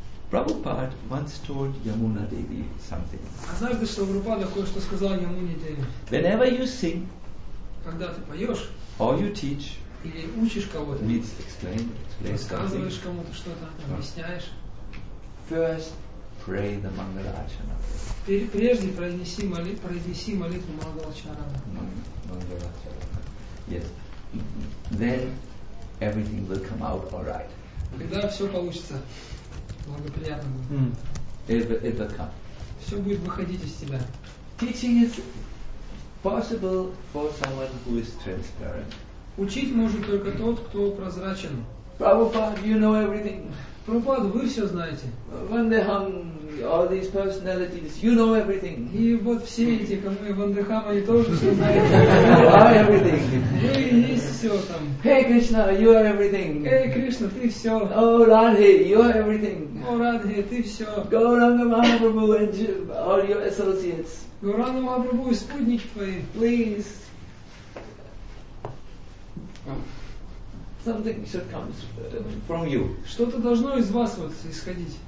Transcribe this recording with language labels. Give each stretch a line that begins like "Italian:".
English: Prabhupada once told Yamuna Devi something.
Russian: Однажды Шрила кое-что сказал Ямуне Деви.
English: Whenever you sing,
Russian: когда ты поешь,
English: or you teach,
Russian: или учишь кого-то,
English: means explain
Russian: рассказываешь кому-то что-то, объясняешь.
English: First, pray the Mangalachana.
Russian: Прежде произнеси молитву Мангалачарана. Мангалачарана.
English: Yes. Then everything will come out all right.
Russian: Когда все получится благоприятно будет.
English: It will come.
Russian: Все будет выходить из тебя.
English: Teaching is possible for someone who is transparent.
Russian: Учить может только тот, кто прозрачен.
English: Prabhupada, you know everything.
Russian: Прабхупада, вы все знаете.
English: Вандехам, all these personalities, you know everything.
Russian: И вот все эти, как мы, Вандехам, они тоже все знают.
English: You are everything.
Russian: Вы есть все там.
English: Hey, Krishna, you are everything. Hey,
Russian: Krishna, ты все.
English: Oh, Radhe, you are everything. Oh,
Russian: Radhe, ты все.
English: Gauranga Mahaprabhu and all your associates.
Russian: Gauranga Mahaprabhu, спутники твои.
English: Please. Something should come from you.
Russian: Что-то должно из вас вот исходить.